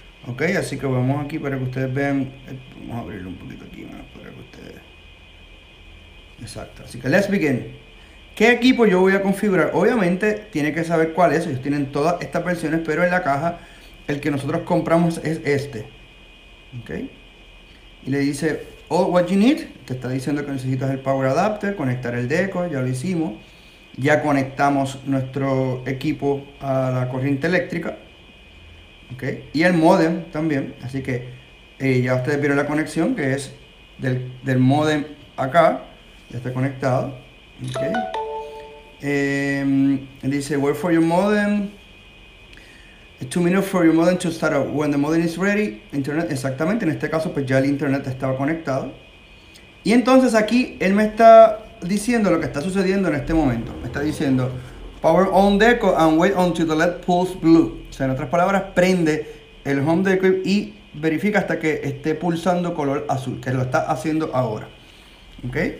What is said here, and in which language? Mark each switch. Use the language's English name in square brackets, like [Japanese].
[Spanish] Ok, así que vamos aquí para que ustedes vean. Vamos a abrirlo un poquito aquí más para que ustedes. Exacto. Así que [English] let's begin. [Spanish] ¿Qué equipo yo voy a configurar? Obviamente tiene que saber cuál es. Ellos tienen todas estas versiones, pero en la caja el que nosotros compramos es este. ¿Ok? Y le dice [English] all what you need. [Spanish] Te está diciendo que necesitas el power adapter, conectar el deco, ya lo hicimos. Ya conectamos nuestro equipo a la corriente eléctrica. ¿Ok? Y el modem también. Así que ya ustedes vieron la conexión que es del modem acá. Ya está conectado. Okay. Dice [English] wait for your modem 2 minutes for your modem to start up. When the modem is ready, internet. [Spanish] Exactamente, en este caso pues ya el internet estaba conectado. Y entonces aquí él me está diciendo lo que está sucediendo en este momento. Me está diciendo [English] power on deco and wait until the LED pulse blue. [Spanish] O sea, en otras palabras, prende el home deco y verifica hasta que esté pulsando color azul, que lo está haciendo ahora. Ok.